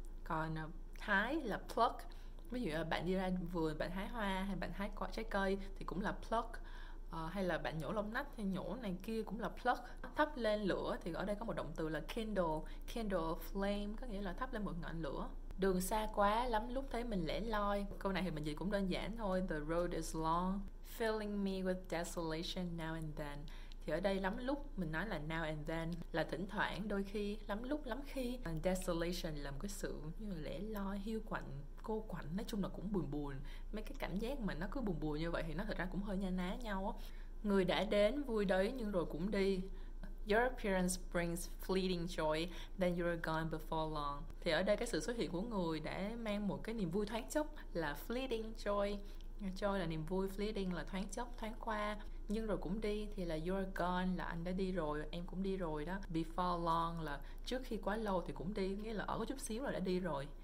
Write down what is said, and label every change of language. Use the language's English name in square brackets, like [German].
[Vietnamese] Còn hái là pluck. Ví dụ là bạn đi ra vườn, bạn hái hoa hay bạn hái quả trái cây thì cũng là pluck. Hay là bạn nhổ lông nách hay nhổ này kia cũng là pluck. Thắp lên lửa thì ở đây có một động từ là kindle, [English] kindle flame, [Vietnamese] có nghĩa là thắp lên một ngọn lửa. Đường xa quá lắm lúc thấy mình lẻ loi. Câu này thì mình dịch cũng đơn giản thôi. [English] The road is long, filling me with desolation now and then. [Vietnamese] Thì ở đây lắm lúc, mình nói là [English] now and then, [Vietnamese] là thỉnh thoảng, đôi khi, lắm lúc, lắm khi. [English] And desolation [Vietnamese] là một cái sự như là lẻ loi, hiu quạnh, cô quạnh, nói chung là cũng buồn buồn. Mấy cái cảm giác mà nó cứ buồn buồn như vậy thì nó thật ra cũng hơi na ná nhau á. Người đã đến vui đấy nhưng rồi cũng đi. [English] Your appearance brings fleeting joy, then you're gone before long. [Vietnamese] Thì ở đây cái sự xuất hiện của người đã mang một cái niềm vui thoáng chốc là [English] fleeting joy. [Vietnamese] Joy là niềm vui, fleeting là thoáng chốc, thoáng qua. Nhưng rồi cũng đi thì là [English] you're gone, [Vietnamese] là anh đã đi rồi, em cũng đi rồi đó. [English] Before long [Vietnamese] là trước khi quá lâu thì cũng đi, nghĩa là ở có chút xíu là đã đi rồi.